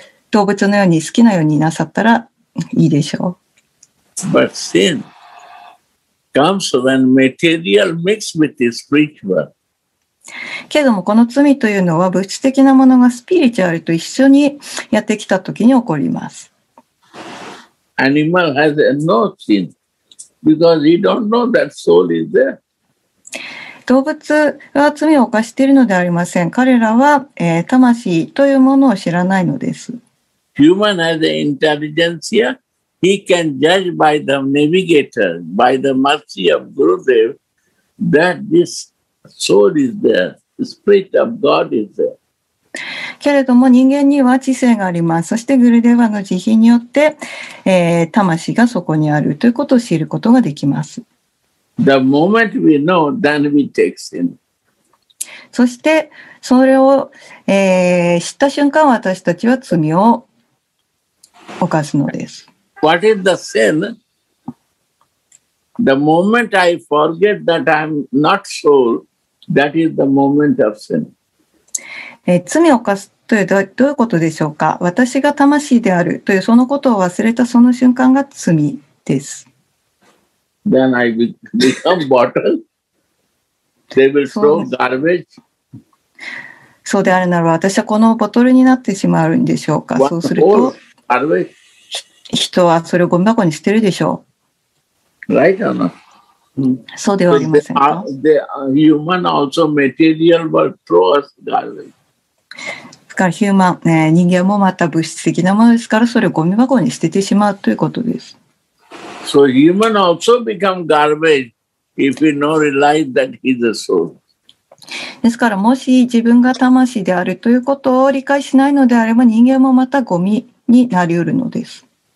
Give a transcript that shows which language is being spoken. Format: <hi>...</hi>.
<ja>動物のように好きなようになさったら、いいでしょう。</ja> <en>But sin comes when material mixes with the spiritual.</en> <ja>けれども、この罪というのは物質的なものがスピリチュアルと一緒にやってきたときに起こります。</ja> <en>Animal has no sin because he don't know that soul is there.</en> <ja>動物は罪を犯しているのではありません。彼らは、魂というものを知らないのです。</ja> <en>Human has the intelligence here. He can judge by the navigator, by the mercy of Gurudev, that this soul is there, the spirit of God is there.</en> <ja>けれども人間には知性があります。そしてグルデーヴァの慈悲によって、魂がそこにあるということを知ることができます。</ja> <en>The moment we know, then we take sin.</en> <ja>そしてそれを、知った瞬間、私たちは罪を犯すのです。</ja> <en>What is the sin? The moment I forget that I'm not soul, that is the moment of sin.</en> <ja>罪を犯すというのはどういうことでしょうか。私が魂であるというそのことを忘れたその瞬間が罪です。</ja> <en>Then I become bottle. They will throw garbage.</en> <ja>そうであるならば、私はこのボトルになってしまうんでしょうか。そうすると、人はそれをゴミ箱に捨てるでしょう。</ja> <en>Right or not?</en> <ja>そうではありませんか。</ja> <en>The human also material will throw us garbage.</en> <ja>だから、ヒューマン、人間もまた物質的なものですから、それをゴミ箱に捨ててしまうということです。</ja> <en>So human also become garbage if we not realize that he's a soul.</en> <ja>ですから、もし自分が魂であるということを理解しないのであれば、人間もまたゴミになりうるのです。</ja>